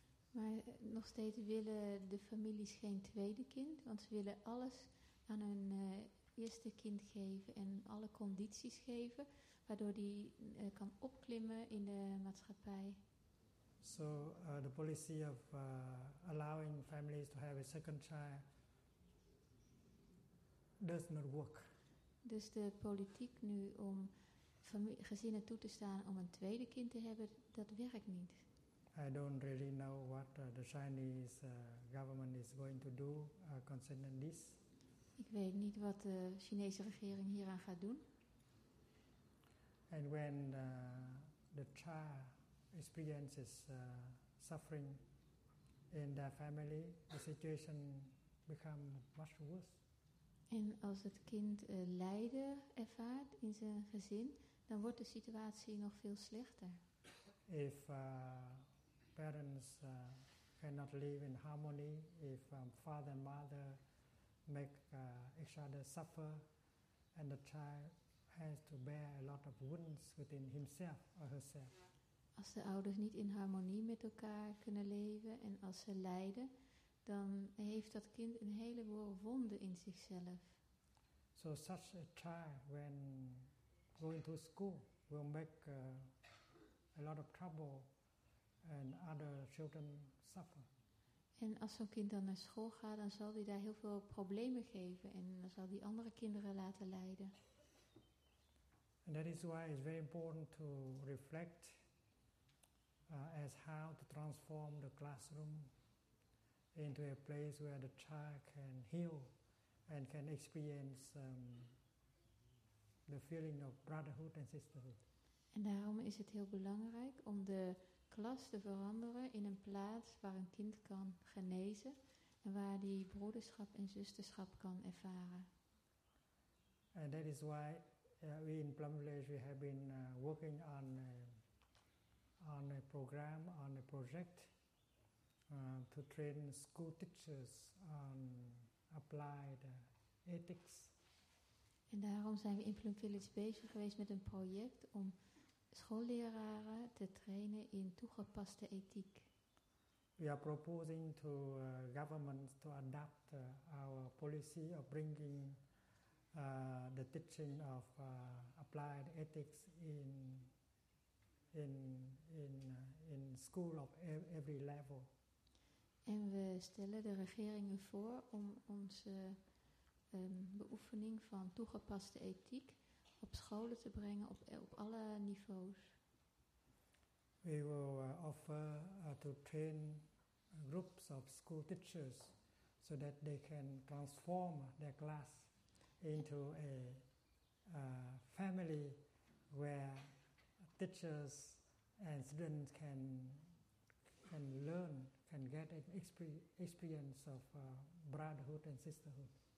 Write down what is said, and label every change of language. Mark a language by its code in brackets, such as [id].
[nl] Maar nog steeds willen de families geen tweede kind, want ze willen alles aan hun eerste kind geven en alle condities geven, waardoor die kan opklimmen in de maatschappij. [en] So the policy of allowing families to have a second child does not work. [nl] Dus de politiek nu om gezinnen toe te staan om een tweede kind te hebben, dat werkt niet. [en] I don't really know what the Chinese government is going to do concerning this. [nl] Ik weet niet wat de Chinese regering hieraan gaat doen. [en] And when the child experiences suffering in their family, the situation becomes much worse. [nl] En als het kind lijden ervaart in zijn gezin, dan wordt de situatie nog veel slechter. [en] If parents cannot live in harmony, if father and mother make each other suffer, and the child has to bear a lot of wounds within himself or herself. [nl] Als de ouders niet in harmonie met elkaar kunnen leven en als ze lijden, dan heeft dat kind een heleboel wonden in zichzelf. [en] So such a child, when going to school, will make a lot of trouble. And other children suffer. [nl] En als zo'n kind dan naar school gaat, dan zal die daar heel veel problemen geven en dan zal die andere kinderen laten lijden. [en] And that is why it's very important to reflect as how to transform the classroom into a place where the child can heal and can experience the feeling of brotherhood and sisterhood. [nl] En daarom is het heel belangrijk om de klas te veranderen in een plaats waar een kind kan genezen en waar die broederschap en zusterschap kan ervaren. [en] And that is why we in Plum Village we have been working on a program, on a project to train school teachers on applied ethics. [nl] En daarom zijn we in Plum Village bezig geweest met een project om schoolleraren te trainen in toegepaste ethiek. [en] We are proposing to governments to adapt our policy of bringing the teaching of applied ethics in school of every level. [nl] En we stellen de regeringen voor om onze beoefening van toegepaste ethiek op scholen te brengen op alle niveaus. [en] We will offer to train groups of school teachers so that they can transform their class into a family where teachers and students can learn, can get an experience of brotherhood and sisterhood.